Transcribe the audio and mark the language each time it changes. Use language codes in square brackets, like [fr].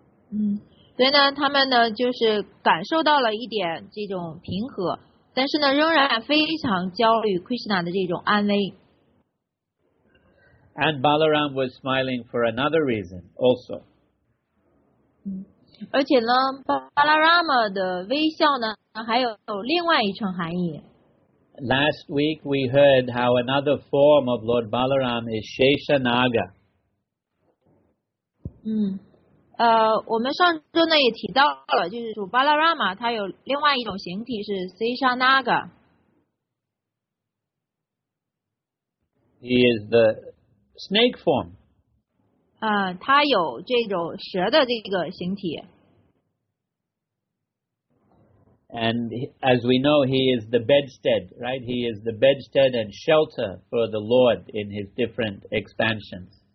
[zh] 所以呢，他们呢就是感受到了一点这种平和，但是呢，仍然非常焦虑 Krishna 的这种安危。 [en] And Balaram was smiling for another reason also. [zh] 而且呢，巴拉拉玛的微笑呢，还有另外一层含义。 [en] Last week we heard how another form of Lord Balaram is Sheshanaga. [zh] 我们上周呢也提到了，就是主巴拉拉玛他有另外一种形体是 Seshanaga。 [en] He is the snake form. [zh] 他有这种蛇的这个形体。 [en] And as we know, he is the bedstead, right? He is the bedstead and shelter for the Lord in his different expansions.